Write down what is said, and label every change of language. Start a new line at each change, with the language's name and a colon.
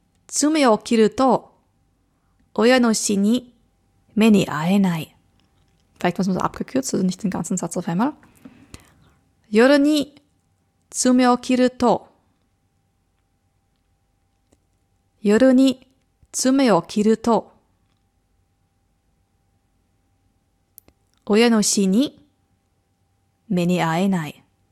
Japanese: 爪を切ると親の死に目に会えない。
German: Vielleicht muss man es abgekürzt, also nicht den ganzen Satz auf einmal.
Japanese: 夜に爪を切ると夜に爪を切ると親の死に目に会えない。